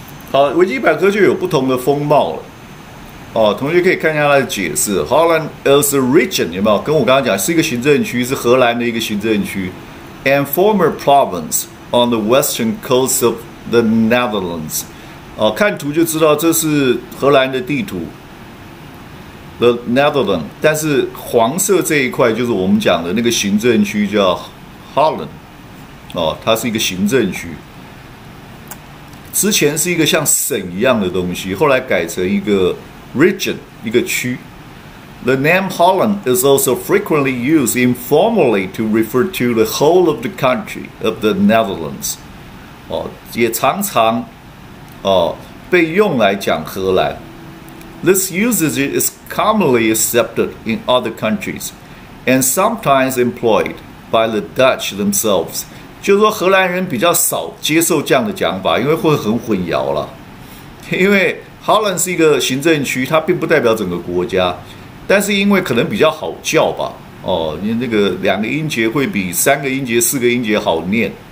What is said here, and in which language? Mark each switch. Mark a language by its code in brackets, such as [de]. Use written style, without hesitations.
[zh] 好，维基百科就有不同的风貌了。哦，同学可以看一下它的解释。 [en] Holland is a region， [zh] 有没有？跟我刚刚讲是一个行政区，是荷兰的一个行政区。 [en] And former province on the western coast of the Netherlands。 [zh] 哦，看图就知道这是荷兰的地图。 The Netherlands， 但是黄色这一块就是我们讲的那个行政区叫 Holland。哦，它是一个行政区。之前是一个像省一样的东西，后来改成一个 region， 一个区。 [en] The name Holland is also frequently used informally to refer to the whole of the country of the Netherlands。 [zh] 哦，也常常哦被用来讲荷兰。 [en] This usage is commonly accepted in other countries, and sometimes employed by the Dutch themselves。 [zh] 就是说荷兰人比较少接受这样的讲法，因为会很混淆了。因为 Holland 是一个行政区，它并不代表整个国家，但是因为可能比较好叫吧，哦，你那个两个音节会比三个音节四个音节好念。